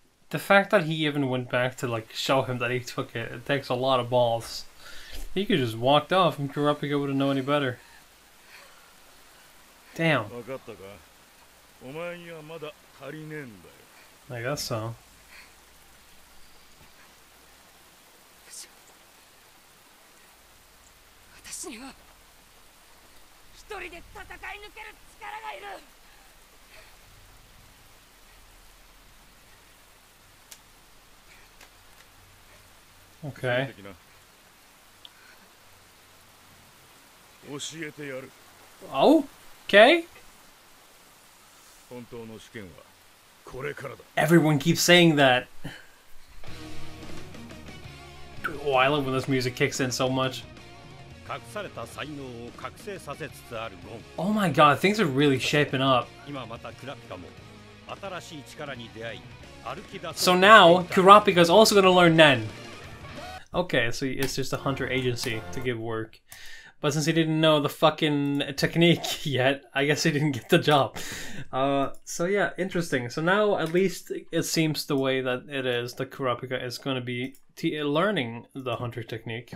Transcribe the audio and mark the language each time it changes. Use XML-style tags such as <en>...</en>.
<en>The fact that he even went back to like show him that he took it, it takes a lot of balls. He could just walked off and Kurapika wouldn't know any better. Damn.</en> <ja>わかったか。お前にはまだ足りねえんだよ。</ja> <en>I guess so.</en> <ja>私には一人で戦い抜ける力がいる。</ja> <en>Okay. Oh, okay.</en> <ja>本当の試験はこれからだ。</ja> <en>Everyone keeps saying that. Oh, I love when this music kicks in so much.</en> <ja>隠された才能を覚醒させつつあるゴン。</ja> <en>Oh my god, things are really shaping up.</en> <ja>今またクラピカも新しい力に出会い歩き出す。</ja> <en>So now, Kurapika is also going to learn Nen. Okay, so it's just a hunter agency to give work. But since he didn't know the fucking technique yet, I guess he didn't get the job. So yeah, interesting. So now at least it seems the way that it is, the Kurapika is going to be learning the hunter technique.</en>